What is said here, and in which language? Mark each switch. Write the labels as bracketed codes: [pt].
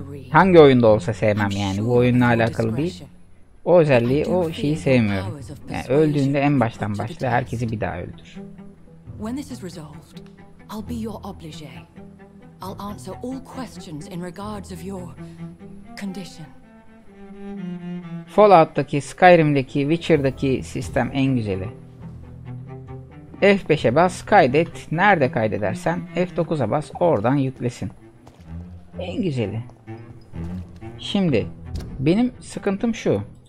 [tr] Hangi oyunda olsa sevmem yani. Bu oyunla alakalı değil. O özelliği, o şeyi sevmiyorum. Yani öldüğünde en baştan başla. Herkesi bir daha öldür. [en] When this is resolved, I'll be your obligé. I'll answer all questions in regards of your condition. [tr] Fallout'taki, Skyrim'deki, Witcher'daki sistem en güzeli. F5'e bas, kaydet. Nerede kaydedersen F9'a bas, oradan yüklesin. En güzeli. Şimdi benim sıkıntım şu.